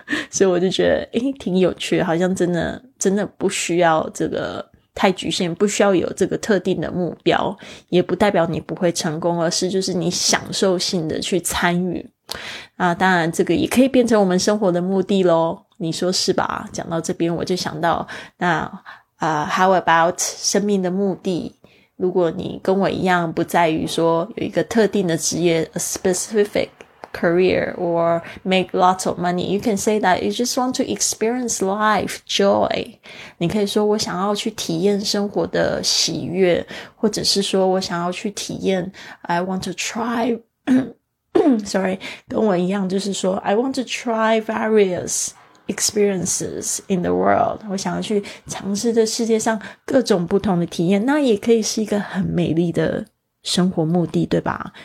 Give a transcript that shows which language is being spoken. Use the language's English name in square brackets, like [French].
[Chinese] 所以我就觉得诶，挺有趣的，好像真的不需要这个太局限，不需要有这个特定的目标，也不代表你不会成功，而是就是你享受性的去参与。那当然这个也可以变成我们生活的目的咯，你说是吧？讲到这边我就想到，那 [English] how about [Chinese] 生命的目的，如果你跟我一样不在于说有一个特定的职业， [English] a specific career or make lots of money, you can say that you just want to experience life joy. [Chinese] 你可以说我想要去体验生活的喜悦，或者是说我想要去体验 [English] I want to try sorry, [Chinese] 跟我一样就是说 [English] I want to try various experiences in the world. [Chinese] 我想要去尝试这世界上各种不同的体验，那也可以是一个很美丽的生活目的，对吧？